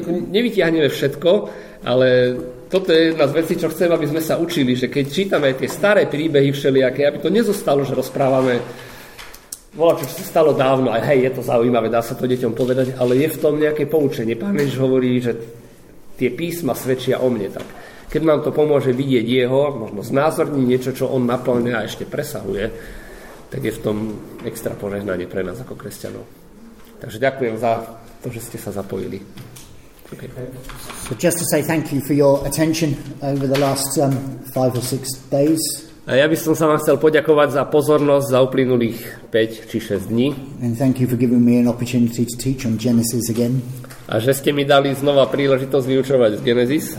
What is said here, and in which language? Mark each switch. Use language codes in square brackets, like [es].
[sk] Nevytiahneme všetko, ale toto je jedna z vecí, čo chcem, aby sme sa učili, že keď čítame tie staré príbehy všelijaké, aby to nezostalo, že rozprávame volá, čo sa stalo dávno, aj hej, je to zaujímavé, dá sa to deťom povedať, ale je v tom nejaké poučenie. Pán Ježiš hovorí, že tie písma svedčia o mne, tak keď nám to pomôže vidieť jeho, možno znázorní niečo, čo on naplňuje a ešte presahuje, tak je v tom extra požehnanie pre nás ako kresťanov. Takže ďakujem za to, že ste sa zapojili. [en] So just to say thank you for your attention over the last 5 or 6 days. [sk] A ja by som sa vám chcel poďakovať za pozornosť za uplynulých 5 či 6 dní. [en] And thank you for giving me an opportunity to teach on Genesis again. [sk] A že ste mi dali znova príležitosť vyučovať z Genesis.